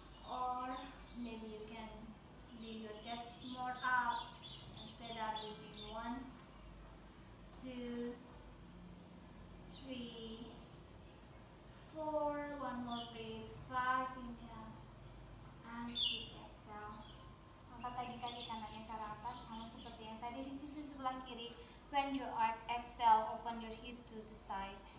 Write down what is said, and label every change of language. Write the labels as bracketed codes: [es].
[en] Or maybe you can lift your chest more up and say that would be 1, 2, 3, 4, one more breath, 5, inhale, and 6, exhale. [id] Angkat lagi kaki kanannya ke atas, sama seperti yang tadi di sisi sebelah kiri. [en] Bend your arch, exhale, open your hip to the side.